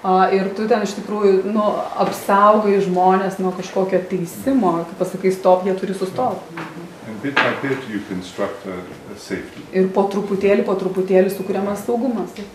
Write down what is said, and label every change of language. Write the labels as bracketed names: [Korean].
[Lithuanian] Ir tu ten iš tikrųjų nu, apsaugai žmonės nuo kažkokio teisimo, kai pasakai stop, jie turi sustoti. [English] And bit by bit you construct a safety. [Lithuanian] Ir po truputėlį sukuriamas saugumas.